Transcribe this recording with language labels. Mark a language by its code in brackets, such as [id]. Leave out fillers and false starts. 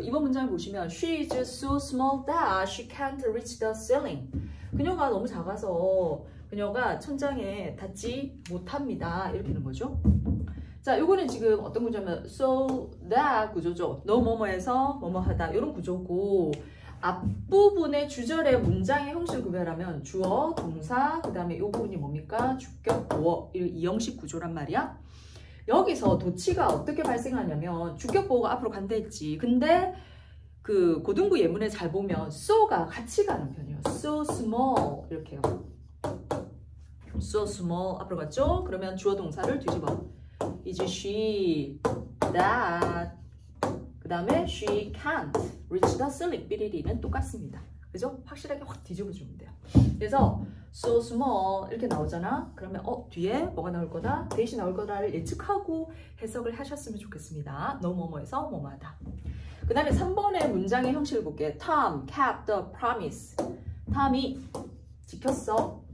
[ko] 2번 문장 보시면 [en] She is so small that she can't reach the ceiling. [ko] 그녀가 너무 작아서 그녀가 천장에 닿지 못합니다. 이렇게 된 거죠. 자, 요거는 지금 어떤 구조냐면 So that 구조죠. 너 뭐뭐해서 뭐뭐하다 이런 구조고 앞부분의 주절의 문장의 형식을 구별하면 주어, 동사, 그 다음에 요 부분이 뭡니까? 주격, 보어 이 형식 구조란 말이야. 여기서 도치가 어떻게 발생하냐면 주격보호가 앞으로 간다 했지. 근데 그 고등부 예문에 잘 보면 so가 같이 가는 편이에요. so small 이렇게요. so small 앞으로 갔죠? 그러면 주어 동사를 뒤집어. [en] is she that [ko] 그 다음에 [en] she can't reach the ceiling. [ko] 삐리리는 똑같습니다. 그죠? 확실하게 확 뒤집어 주면 돼요. 그래서 so small 이렇게 나오잖아. 그러면 뒤에 뭐가 나올 거다? 대신 나올 거다를 예측하고 해석을 하셨으면 좋겠습니다. 너 뭐뭐해서 뭐뭐하다. 그 다음에 3번의 문장의 형식을 볼게. [en] Tom kept the promise. [ko] Tom이 지켰어.